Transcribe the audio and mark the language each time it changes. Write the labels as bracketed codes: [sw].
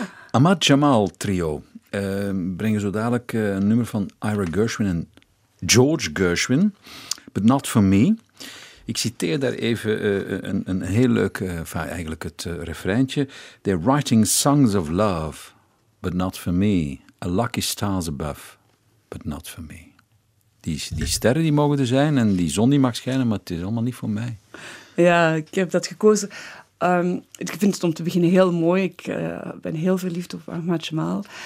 [nl] Ahmad Jamal Trio brengen zo dadelijk een nummer van Ira Gershwin en George Gershwin, But Not For Me. Ik citeer daar even een heel leuk, eigenlijk het refreintje. [en] They're writing songs of love, but not for me. A lucky stars above, but not for me. [nl] Die sterren die mogen er zijn en die zon die mag schijnen, maar het is allemaal niet voor mij. Ja, ik heb dat gekozen. Ik vind het om te beginnen heel mooi. Ik ben heel verliefd op Ahmad Jamal.